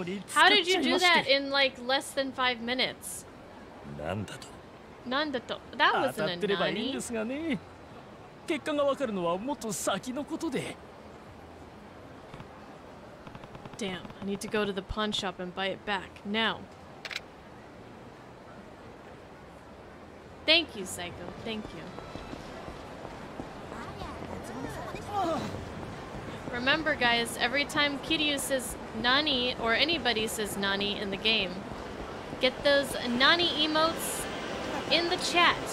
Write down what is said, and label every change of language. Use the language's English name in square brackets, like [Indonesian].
[English] How did you do that in like less than 5 minutes? [Japanese] なんだと? [English] That wasn't a nani. [Japanese] 結果がわかるのはもっと先のことで。 [English] Damn, I need to go to the pawn shop and buy it back. Now. Thank you, Psycho. Thank you. Remember, guys, every time Kiryu says Nani, or anybody says Nani in the game, get those Nani emotes in the chat.